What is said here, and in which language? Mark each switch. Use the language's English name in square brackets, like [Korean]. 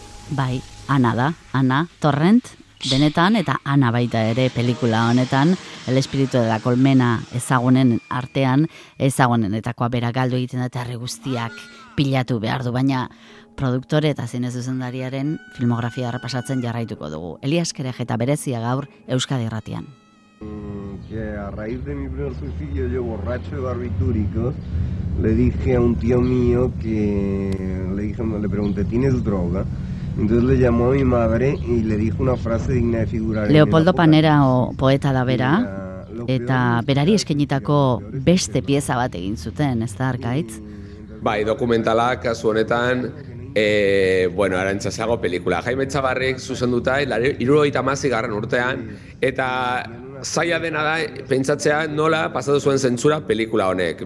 [Basque] Bai, Ana da, Ana Torrent, benetan, eta Ana baita ere pelikula honetan, El Espiritu de la Colmena ezagunen artean, ezagunenetakoa bera galdu egiten eta herri guztiak pilatu behar du, baina produktore eta zine zuzendariaren filmografia errepasatzen jarraituko dugu. Elias Kerejeta berezia gaur Euskadi Irratian. [Spanish] Que a raíz de mi primer suicidio yo borracho de barbitúricos le dije a un tío mío que le pregunté ¿tienes droga? Entonces le llamó a mi madre y le dijo una frase digna de figurar. [Basque] Leopoldo Panera o poeta da bera eta berari eskainitako beste pieza bat egin zuten, ez da Arkaitz? Bai, dokumentala kasu honetan Arantxa Zago pelikula. Jaime Txabarrik zuzenduta 1976 urtean eta zaila dena da pentsatzea nola pasatu zuen zentsura pelikula honek.